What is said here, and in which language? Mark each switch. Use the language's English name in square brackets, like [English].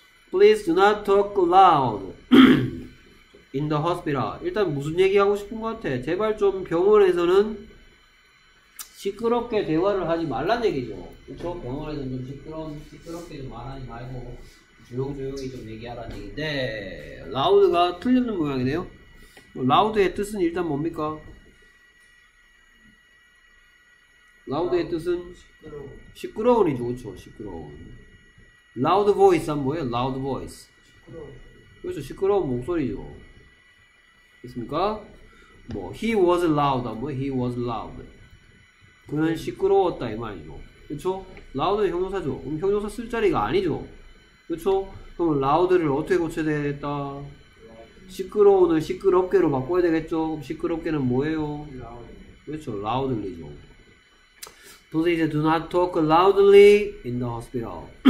[English] 'Please do not talk loud in the hospital.' [Korean] 일단 무슨 얘기 하고 싶은 것 같아? 제발 좀 병원에서는 시끄럽게 대화를 하지 말란 얘기죠. 그쵸? 병원에서는 좀 시끄럽게 좀 말하지 말고 조용조용히 좀 얘기하라는 얘기인데, 라우드가 틀리는 모양이네요. 라우드의 뜻은 일단 뭡니까? 라우드의 뜻은 시끄러운이죠. 그렇죠. 시끄러운. loud voice는 뭐예요? loud voice. 그렇죠. 시끄러운 목소리죠. 됐습니까? 뭐 [English] he was loud. [Korean] 뭐 he was loud. 그는 시끄러웠다 이 말이죠. 그렇죠? loud는 형용사죠. 그럼 형용사 쓸 자리가 아니죠. 그렇죠? 그럼 loud를 어떻게 고쳐야 되겠다? 시끄러운을 시끄럽게로 바꿔야 되겠죠. 그럼 시끄럽게는 뭐예요? 그렇죠. loudly죠. [English] Please do not talk loudly in the hospital.